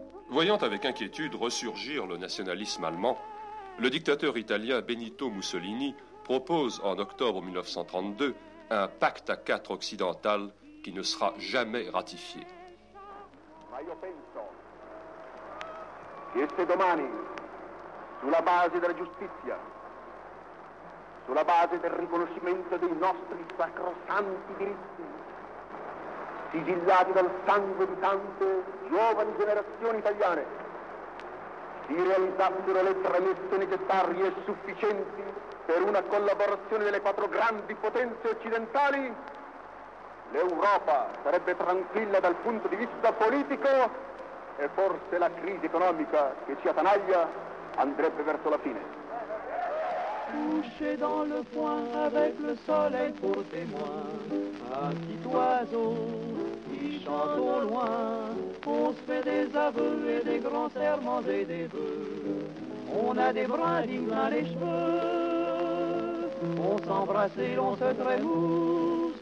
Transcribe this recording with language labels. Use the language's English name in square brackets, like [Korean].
[French] Voyant avec inquiétude ressurgir le nationalisme allemand, le dictateur italien Benito Mussolini propose en octobre 1932 un pacte à quatre occidental qui ne sera jamais ratifié. [Italian] Ma io penso che se domani, sulla base della giustizia, sulla base del riconoscimento dei nostri sacrosanti diritti, sigillati dal sangue di tante giovani generazioni italiane, si realizzassero le premesse necessarie e sufficienti per una collaborazione delle quattro grandi potenze occidentali, l'Europa sarebbe tranquilla dal punto di vista politico e forse la crisi economica che ci attanaglia andrebbe verso la fine. [French] Couché dans le foin avec le soleil pour témoin, un petit oiseau qui chante au loin, on se fait des aveux et des grands serments et des vœux. On a des brins dignes dans les cheveux, on s'embrasse et on se trémousse,